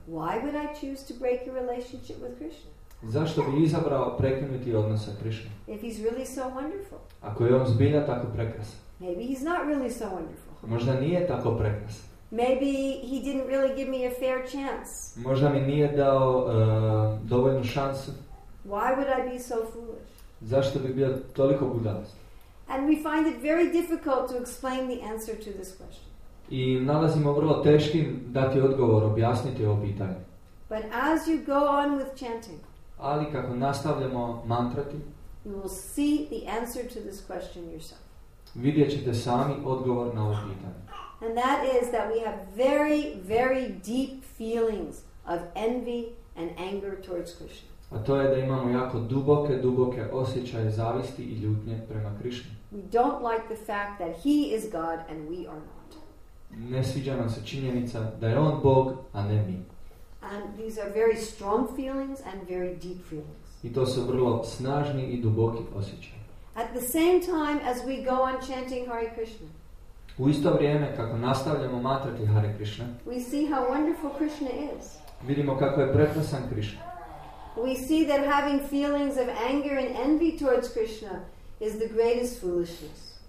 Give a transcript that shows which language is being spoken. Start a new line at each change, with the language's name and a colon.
English: Why would I choose to break a relationship with Krishna?
Croatian: Zašto bi izabrao prekinuti odnos sa Krišnom?
English: If he's really so wonderful.
Croatian: Ako je on zbilja tako prekrasan.
English: Maybe he's not really so wonderful.
Croatian: Možda nije tako prekrasan.
English: Maybe he didn't really give me a fair chance.
Croatian: Možda mi nije dao dovoljnu šansu.
English: Why would I be so foolish?
Croatian: Zašto bi bio toliko budalost?
English: And we find it very difficult to explain the answer to this question.
Croatian: I nalazimo vrlo teškim dati odgovor, objasniti ovo pitanje.
English: But as you go on with chanting,
Croatian: ali kako nastavljamo mantrati,
English: you will see the answer to this question yourself.
Croatian: Vidjet ćete sami odgovor na ovo pitanje.
English: And that is that we have very, very deep feelings of envy and anger towards Krishna.
Croatian: A to je da imamo jako duboke, duboke osjećaje zavisti i ljutnje prema Krišni.
English: We don't like the fact that he is God and we are not.
Croatian: Ne sviđa nam se činjenica da je on Bog, a ne mi.
English: And these are very strong feelings and very deep feelings.
Croatian: I to su vrlo snažni i duboki osjećaj.
English: At the same time as we go on chanting Hare Krishna.
Croatian: U isto vrijeme kako nastavljamo mantrati Hare Krishna.
English: We see how wonderful Krishna is.
Croatian: Vidimo kako je prekrasan Krishna.
English: We see that having feelings of anger and envy towards Krishna is the greatest foolishness.